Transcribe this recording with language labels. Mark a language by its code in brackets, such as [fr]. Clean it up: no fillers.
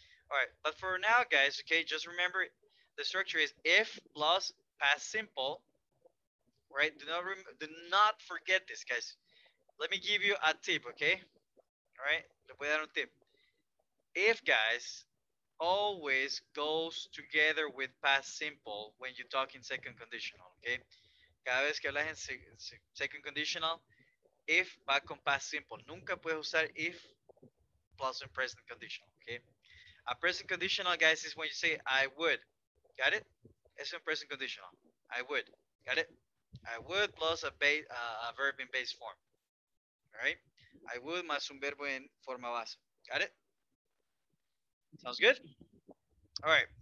[en] All right, but for now, guys, okay, just remember, the structure is if plus past simple, right? Do not forget this, guys. Let me give you a tip, okay? All right, [es] le voy a dar un tip. [en] If, guys, always goes together with past simple when you talk in second conditional, okay? [es] Cada vez que hablas en second conditional, if va con past simple. Nunca puedes usar [en] if plus in present conditional, okay? A present conditional, guys, is when you say, I would. Got it? It's a present conditional. I would. Got it? I would plus a verb in base form. All right? I would [es] más un verbo en forma base. [en] Got it? Sounds good? All right.